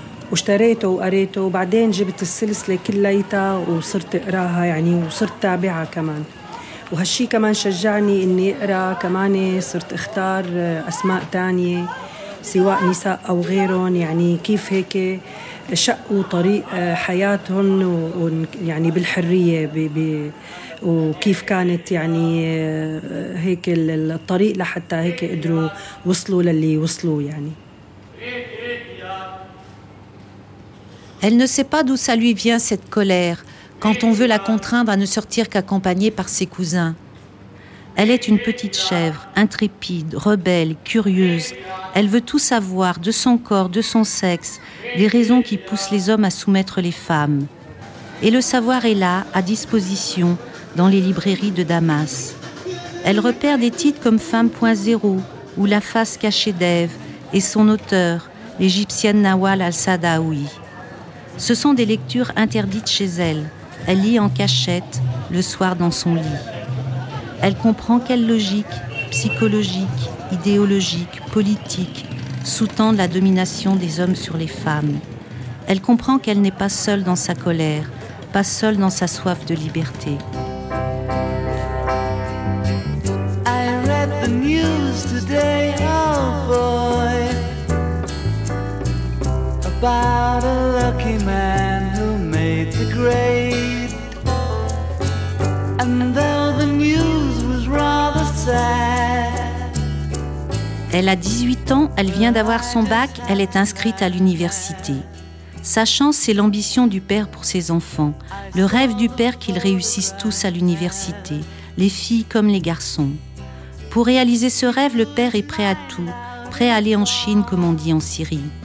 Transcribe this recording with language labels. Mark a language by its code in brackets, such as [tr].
[ar] واشتريته وقريته وبعدين جبت السلسلة كليتها وصرت أقراها يعني وصرت تابعها كمان وهالشي كمان شجعني إني أقرأ كمان صرت أختار أسماء تانية سواء نساء أو غيرهم يعني كيف هيك شقوا طريق حياتهم يعني بالحرية وكيف كانت يعني هيك الطريق لحتى هيك قدروا وصلوا للي وصلوا يعني [fr] Elle ne sait pas d'où ça lui vient cette colère quand on veut la contraindre à ne sortir qu'accompagnée par ses cousins. Elle est une petite chèvre, intrépide, rebelle, curieuse. Elle veut tout savoir de son corps, de son sexe, des raisons qui poussent les hommes à soumettre les femmes. Et le savoir est là, à disposition, dans les librairies de Damas. Elle repère des titres comme « Femme.0 » ou « La face cachée d'Ève » et son auteur, l'égyptienne Nawal al-Sadaoui. Ce sont des lectures interdites chez elle. Elle lit en cachette, le soir dans son lit. Elle comprend quelle logique, psychologique, idéologique, politique, sous-tend la domination des hommes sur les femmes. Elle comprend qu'elle n'est pas seule dans sa colère, pas seule dans sa soif de liberté. [en] I read the news today, oh boy, about a lucky man who made the grade. And though the news was rather sad. [fr] Elle a 18 ans, elle vient d'avoir son bac, elle est inscrite à l'université. Sa chance, c'est l'ambition du père pour ses enfants. Le rêve du père qu'ils réussissent tous à l'université, les filles comme les garçons. Pour réaliser ce rêve, le père est prêt à tout, prêt à aller en Chine, comme on dit en Syrie.